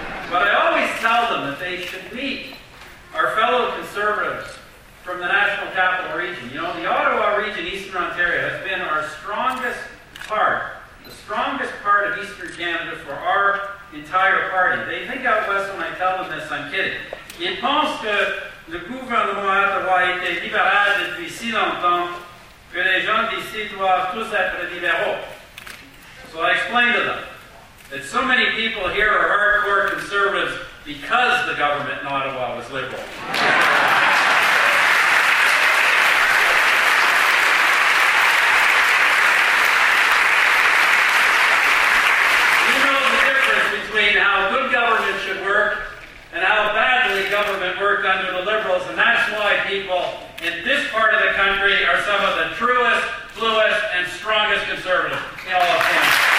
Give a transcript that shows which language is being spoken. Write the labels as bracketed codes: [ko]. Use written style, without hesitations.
[en] But I always tell them that they should meet our fellow conservatives from the National Capital Region. You know, the Ottawa region, Eastern Ontario, has been our strongest part, the strongest part of Eastern Canada for our entire party. They think out west when I tell them this, I'm kidding. [fr] Ils pensent que le gouvernement Ottawa a été libéral depuis si longtemps que les gens d'ici doivent tous être libéraux. [en] So I explained to them that so many people here are hardcore conservatives because the government in Ottawa was liberal. You know the difference between how good government should work and how badly government worked under the Liberals, and that's why people in this part of the country are some of the truest, bluest, and strongest conservatives in all of Canada.